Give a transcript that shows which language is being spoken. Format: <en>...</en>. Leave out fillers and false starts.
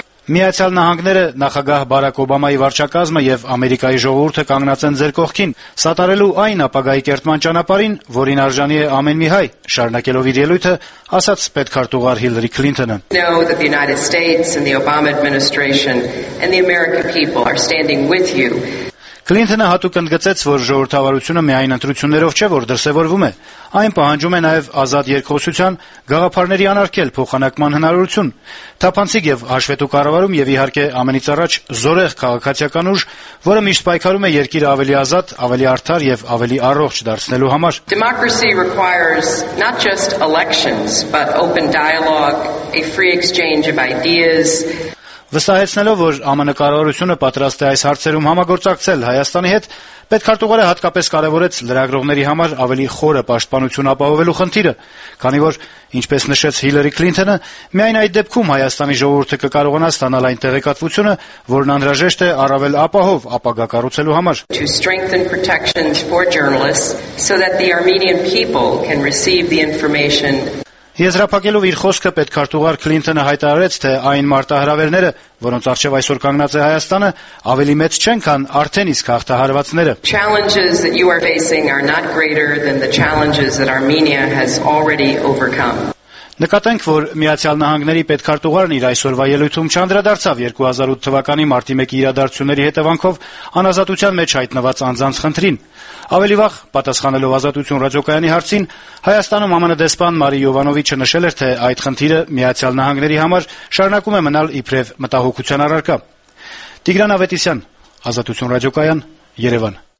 <hy>Միացյալ Նահանգները, նախագահ Բարակ Օբամայի վարչակազմը և Ամերիկայի ժողովուրդը կանգնած են ձեր կողքին, սատարելու այն ապագայի կերտման ճանապարհին, որին արժանի է ամեն մի հայ, շարունակելով իր ելույթը, ասաց պետքարտուղար Հիլարի Քլինթոնը.</hy> <en>Know that the United States and the Obama administration and the American people are standing with you.</en> <hy>Կլինթոնը հատուկ ընդգծեց, որ ժողովրդավարությունը միայն ընտրություններով չէ, որ դրսևորվում է, այն պահանջում է նաև ազատ երկխոսության, գաղափարների անարգել փոխանակման հնարավորություն, թափանցիկ և հաշվետու կառավարում և իհարկե ամենից առաջ զորեղ քաղաքացիական ուժ, որը միշտ պայքարում է երկիրը ավելի ազատ, ավելի արդար և ավելի առողջ դարձնելու համար.</hy> <en>Democracy requires not just elections, but open dialogue, a free exchange of ideas.</en> <hy>Վստահեցնելով, որ ԱՄՆ կառավարությունը պատրաստ է այս հարցերում համագործակցել Հայաստանի հետ, պետքարտուղարը հատկապես կարևորեց լրագրողների համար ավելի խորը պաշտպանություն ապահովելու խնդիրը, քանի որ, ինչպես նշեց Հիլերի Քլինթոնը, միայն այդ դեպքում Հայաստանի ժողովուրդը կկարողանա ստանալ այն տեղեկատվությունը, որն անհրաժեշտ է առավել ապահով ապագա կառուցելու համար.</hy> <en>To strengthen protections for journalists so that the Armenian people can receive the information.</en> <hy>Եզրափակելով իր խոսքը պետքարտուղար Քլինթոնը հայտարարեց, թե այն մարտահրավերները, որոնց առջև այսօր կանգնած է Հայաստանը, ավելի մեծ չեն, քան արդեն իսկ հաղթահարվածները.</hy> <en>Challenges that you are facing are not greater than the challenges that Armenia has already overcome.</en> <hy>Նկատենք, որ Միացյալ Նահանգների պետքարտուղարն իր այսօրվա ելույթում չանդրադարձավ 2008 թվականի մարտի 1-ի իրադարձությունների հետևանքով անազատության մեջ հայտնված անձանց խնդրին։ Ավելի վաղ, պատասխանելով Ազատություն ռադիոկայանի հարցին, Հայաստանում ԱՄՆ դեսպան Մարի Յովանովիչը նշել էր, թե այդ խնդիրը Միացյալ Նահանգների համար շարունակում է մնալ իբրև մտահոգության առարկա։ Տիգրան Ավետիսյան, Ազատություն ռադիոկայան, Երևան։</hy>